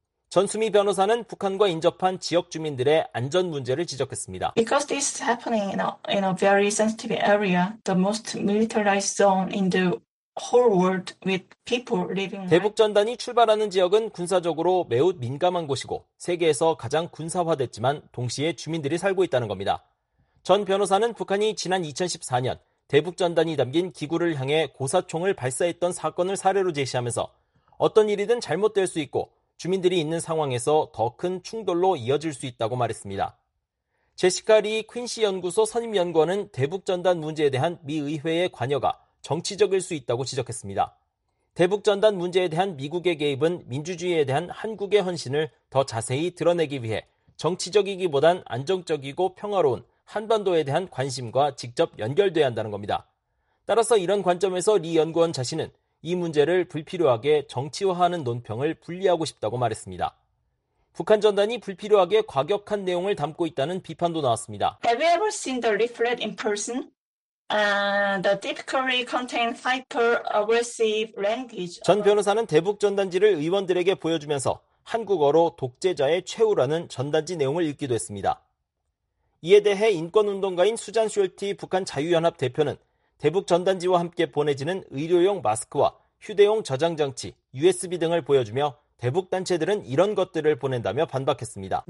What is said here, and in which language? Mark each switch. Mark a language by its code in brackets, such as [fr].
[ko] 전수미 변호사는 북한과 인접한 지역 주민들의 안전 문제를 지적했습니다. [en] Because this is happening in a very sensitive area, the most militarized zone in the whole world with people living. [ko] 대북전단이 출발하는 지역은 군사적으로 매우 민감한 곳이고 세계에서 가장 군사화됐지만 동시에 주민들이 살고 있다는 겁니다. 전 변호사는 북한이 지난 2014년 대북전단이 담긴 기구를 향해 고사총을 발사했던 사건을 사례로 제시하면서 어떤 일이든 잘못될 수 있고 주민들이 있는 상황에서 더 큰 충돌로 이어질 수 있다고 말했습니다. 제시카 리 퀸시 연구소 선임 연구원은 대북전단 문제에 대한 미 의회의 관여가 정치적일 수 있다고 지적했습니다. 대북전단 문제에 대한 미국의 개입은 민주주의에 대한 한국의 헌신을 더 자세히 드러내기 위해 정치적이기보단 안정적이고 평화로운 한반도에 대한 관심과 직접 연결돼야 한다는 겁니다. 따라서 이런 관점에서 리 연구원 자신은 이 문제를 불필요하게 정치화하는 논평을 분리하고 싶다고 말했습니다. 북한 전단이 불필요하게 과격한 내용을 담고 있다는 비판도 나왔습니다. [en] Have you ever seen the leaflet in person? The typically contain hyper-aggressive language. [ko] 전 변호사는 대북 전단지를 의원들에게 보여주면서 한국어로 독재자의 최후라는 전단지 내용을 읽기도 했습니다. 이에 대해 인권운동가인 수잔 쇼티 북한 자유연합 대표는 대북 전단지와 함께 보내지는 의료용 마스크와 휴대용 저장장치, USB 등을 보여주며 대북 단체들은 이런 것들을 보낸다며 반박했습니다.